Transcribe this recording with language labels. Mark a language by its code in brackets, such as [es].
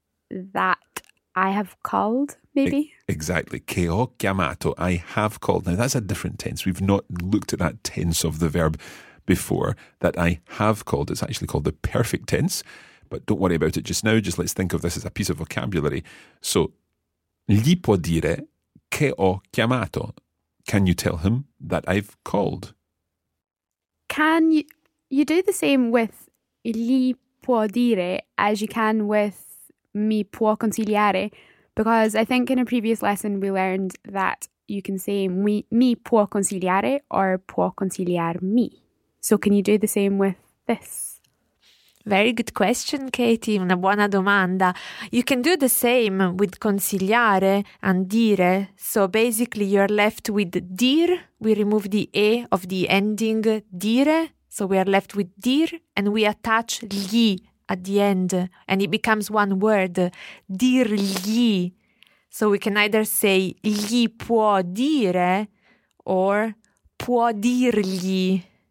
[en] That I have called, maybe? Exactly. [it] Che ho chiamato. [en] I have called. Now, that's a different tense. We've not looked at that tense of the verb before, that I have called. It's actually called the perfect tense. But don't worry about it just now. Just let's think of this as a piece of vocabulary. [it] So, gli può dire che ho chiamato. [en] Can you tell him that I've called? Can you do the same with [it] gli può dire [en] as you can with [it] mi può consigliare? [en] Because I think in a previous lesson we learned that you can say [it] mi può consigliare [en] or [it] può consigliarmi. [en] So can you do the same with this? Very good question, Katie. [it] Una buona domanda. [en] You can do the same with consigliare and dire. So basically you're left with dir. We remove the e of the ending dire. So we are left with dir and we attach gli at the end and it becomes one word, dirgli. So we can either say [it] gli può dire [en] or può dirgli.